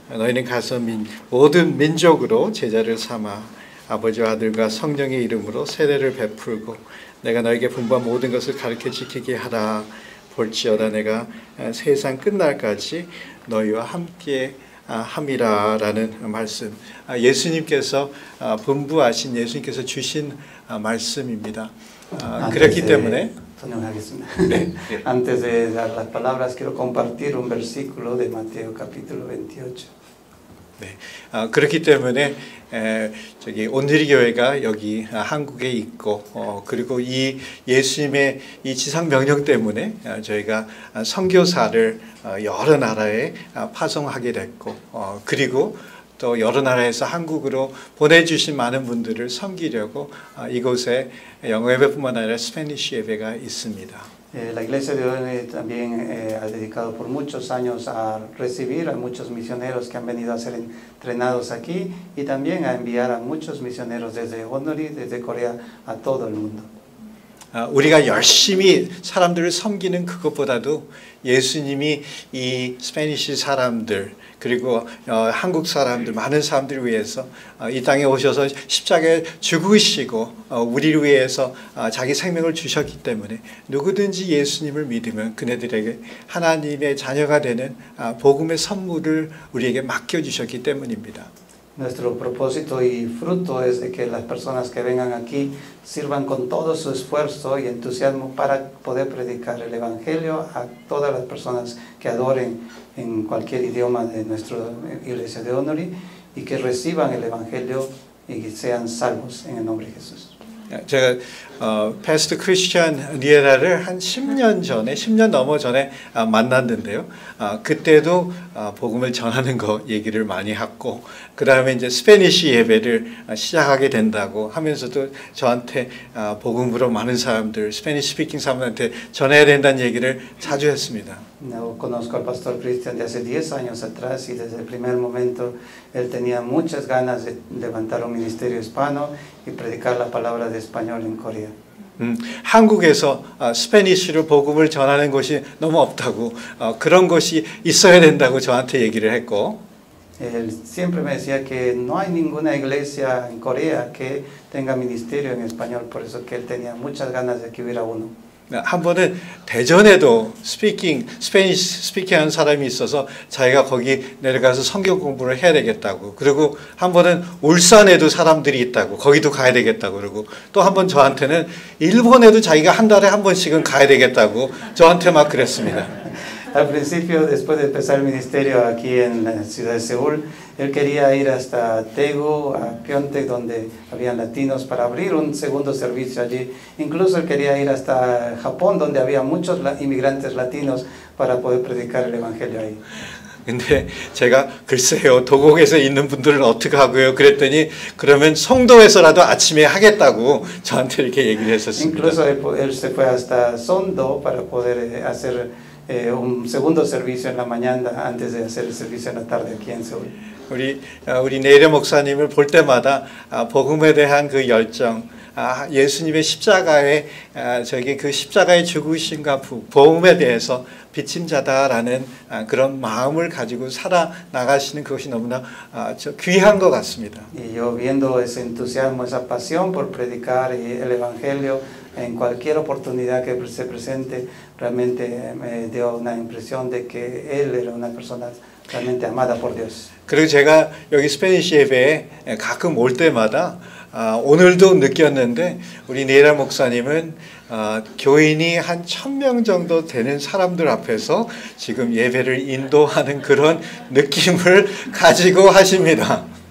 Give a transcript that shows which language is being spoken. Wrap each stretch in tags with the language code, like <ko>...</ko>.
<ko>너희는 가서 모든 민족으로 제자를 삼아 아버지와 아들과 성령의 이름으로 세례를 베풀고 내가 너에게 분부한 모든 것을 가르쳐 지키게 하라. 볼지어다 내가 세상 끝날까지 너희와 함께 함이라라는 말씀, 예수님께서 분부하신 예수님께서 주신 말씀입니다. 그렇기 때문에 설명하겠습니다.</ko> <es>Antes de dar las palabras quiero compartir un versículo de Mateo capítulo 28.</es> <ko>네, 그렇기 때문에 저기 온누리 교회가 여기 한국에 있고 그리고 이 예수님의 이 지상 명령 때문에 저희가 선교사를 여러 나라에 파송하게 됐고 그리고 또 여러 나라에서 한국으로 보내주신 많은 분들을 섬기려고 이곳에 영어 예배뿐만 아니라 스페니쉬 예배가 있습니다.</ko> <es>La iglesia de hoy también ha dedicado por muchos años a recibir a muchos misioneros que han venido a ser entrenados aquí y también a enviar a muchos misioneros desde Honduras, desde Corea, a todo el mundo.</es> <ko>우리가 열심히 사람들을 섬기는 그것보다도 예수님이 이 스페니쉬 사람들 그리고 한국 사람들 많은 사람들을 위해서 이 땅에 오셔서 십자가에 죽으시고 우리를 위해서 자기 생명을 주셨기 때문에 누구든지 예수님을 믿으면 그네들에게 하나님의 자녀가 되는 복음의 선물을 우리에게 맡겨 주셨기 때문입니다.</ko> <es>Nuestro propósito y fruto es de que las personas que vengan aquí sirvan con todo su esfuerzo y entusiasmo para poder predicar el Evangelio a todas las personas que adoren en cualquier idioma de nuestra iglesia de Onuri y que reciban el Evangelio y que sean salvos en el nombre de Jesús.</es> <ko>제가 패스트 크리스천 리에라를 한 10년 넘어 전에 만났는데요. 그때도 복음을 전하는 거 얘기를 많이 했고 그 다음에 이제 스페니쉬 예배를 시작하게 된다고 하면서도 저한테 복음으로 많은 사람들 스페니쉬 스피킹 사람들한테 전해야 된다는 얘기를 자주 했습니다.</ko> <es>No, conozco al pastor Christian de hace 10 años atrás y desde el primer momento él tenía muchas ganas de levantar un ministerio hispano y predicar la palabra de español en Corea.</es> <ko>한국에서 스페니쉬로 복음을 전하는 곳이 너무 없다고 그런 곳이 있어야 된다고 저한테 얘기를 했고</ko> <es>él siempre me decía que no hay ninguna iglesia en Corea que tenga ministerio en español, por eso que él tenía muchas ganas de que hubiera uno.</es> <ko>한 번은 대전에도 스피킹 스페인시 스피킹하는 사람이 있어서 자기가 거기 내려가서 성경 공부를 해야 되겠다고. 그리고 한 번은 울산에도 사람들이 있다고 거기도 가야 되겠다고 그러고 또 한 번 저한테는 일본에도 자기가 한 달에 한 번씩은 가야 되겠다고 저한테 막 그랬습니다.</ko> <es>Al principio, después de empezar el ministerio aquí en la ciudad de Seúl, él quería ir hasta Daegu, a Pyeongtaek, donde habían latinos, para abrir un segundo servicio allí. Incluso él quería ir hasta Japón, donde había muchos inmigrantes latinos, para poder predicar el evangelio ahí.</es> <ko>근데 제가 글쎄요 도곡에서 있는 분들은 어떻게 하고요? 그랬더니 그러면 송도에서라도 아침에 하겠다고 저한테 이렇게 얘기를 했었습니다.</ko> <es>Incluso él se fue hasta Songdo para poder hacer un segundo servicio en la mañana antes de hacer el servicio en la tarde aquí en Seúl.</es> <ko>우리 내일의 목사님을 볼 때마다 복음에 대한 그 열정, 예수님의 십자가에 저기 그 십자가의 죽으심과 복음에 대해서 비침자다라는 그런 마음을 가지고 살아 나가시는 것이 너무나 귀한 것 같습니다.</ko> <es>Y yo viendo ese entusiasmo, esa pasión por predicar el evangelio en cualquier oportunidad que se presente, realmente me dio una impresión de que él era una persona realmente amada por Dios.</es> <ko>그리고 제가 여기 스페니시 예배에 가끔 올 때마다 오늘도 느꼈는데 우리 네이라 목사님은 교인이 한 1,000명 정도 되는 사람들 앞에서 지금 예배를 인도하는 그런 느낌을 가지고 하십니다.</ko>